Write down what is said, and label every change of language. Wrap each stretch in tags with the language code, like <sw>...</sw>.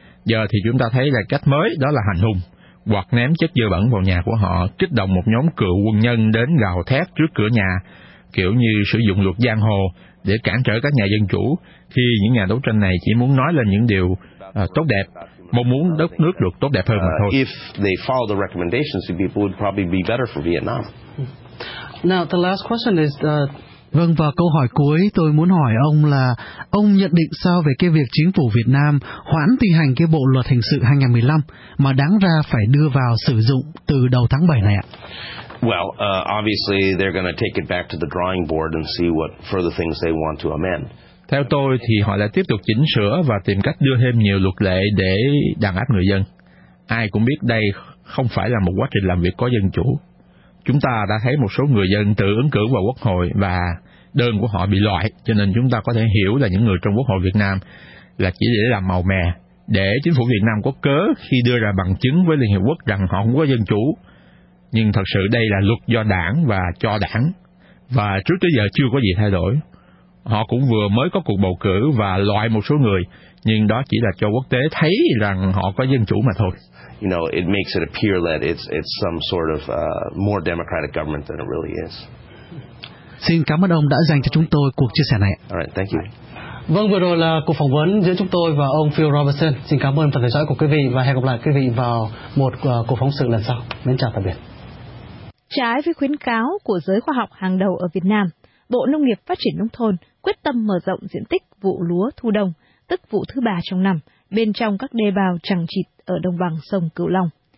<vi>Giờ thì chúng ta thấy là cách mới đó là hành hung, hoặc ném chất dơ bẩn vào nhà của họ, kích động một nhóm cựu quân nhân đến gào thét trước cửa nhà, kiểu như sử dụng luật giang hồ để cản trở các nhà dân chủ khi những nhà đấu tranh này chỉ muốn nói lên những điều tốt đẹp, mong muốn đất nước được tốt đẹp hơn mà thôi.</vi> <en>If they follow the recommendations, the people would probably be better for Vietnam. Now the last question is.</en> <vi>Vâng, và câu hỏi cuối tôi muốn hỏi ông là ông nhận định sao về cái việc chính phủ Việt Nam hoãn thi hành cái bộ luật hình sự 2015 mà đáng ra phải đưa vào sử dụng từ đầu tháng 7 này ạ?</vi> <en>Well, obviously they're going to take it back to the drawing board and see what further things they want to amend.</en> <vi>Theo tôi thì họ lại tiếp tục chỉnh sửa và tìm cách đưa thêm nhiều luật lệ để đàn áp người dân. Ai cũng biết đây không phải là một quá trình làm việc có dân chủ. Chúng ta đã thấy một số người dân tự ứng cử vào Quốc hội và đơn của họ bị loại, cho nên chúng ta có thể hiểu là những người trong Quốc hội Việt Nam là chỉ để làm màu mè, để chính phủ Việt Nam có cớ khi đưa ra bằng chứng với Liên Hiệp Quốc rằng họ không có dân chủ. Nhưng thật sự đây là luật do đảng và cho đảng, và trước tới giờ chưa có gì thay đổi. Họ cũng vừa mới có cuộc bầu cử và loại một số người, nhưng đó chỉ là cho quốc tế thấy rằng họ có dân chủ mà thôi.</vi> <en>You know, it makes it appear that it's some sort of more democratic government than it really is.</en> <vi>Xin cảm ơn ông đã dành cho chúng tôi cuộc chia sẻ này.</vi> <en>All right, thank you.</en> <vi>Vâng, vừa rồi là cuộc phỏng vấn giữa chúng tôi và ông Phil Robertson. Xin cảm ơn phần theo dõi của quý vị và hẹn gặp lại quý vị vào một cuộc phóng sự lần sau. Mến chào tạm biệt. Trái với khuyến cáo của giới khoa học hàng đầu ở Việt Nam, Bộ Nông nghiệp Phát triển Nông thôn quyết tâm mở rộng diện tích vụ lúa thu đông, tức vụ thứ ba trong năm, bên trong các đê bao chẳng chịt ở đồng bằng sông Cửu Long.</vi>